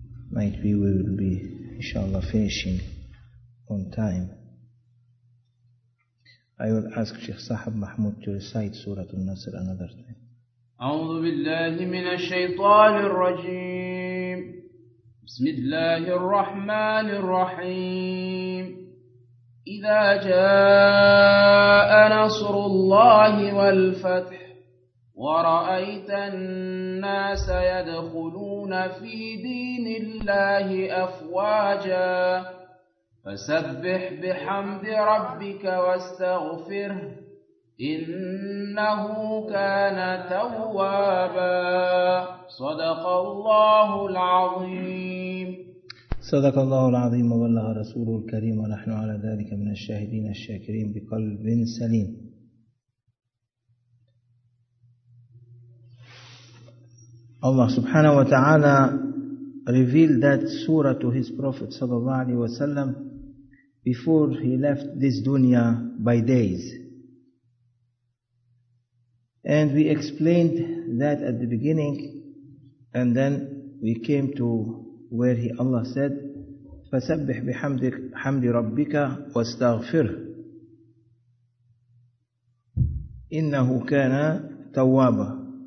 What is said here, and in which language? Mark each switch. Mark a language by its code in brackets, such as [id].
[en] Might be we will be [ar] إن شاء الله [en] finishing on time. I will ask Sheikh Sahab Mahmoud to recite Surah Al-Nasr another time. [ar] أعوذ بالله من الشيطان الرجيم. بسم الله الرحمن الرحيم. إذا جاء نصر الله والفتح ورأيت الناس يدخلون في دين الله أفواجا فسبح بحمد ربك واستغفره إنه كان توابا. صدق الله العظيم. صدق الله العظيم وبلغ رسوله الكريم ونحن على ذلك من الشاهدين الشاكرين بقلب سليم. الله سبحانه وتعالى [en] revealed that surah to his prophet [ar] صلى الله عليه وسلم [en] before he left this dunya by days. And we explained that at the beginning, and then we came to where he Allah said, [ar] فَسَبِّحْ بِحَمْدِ رَبِّكَ وَاسْتَغْفِرْ إِنَّهُ كَانَ تَوَّابًا.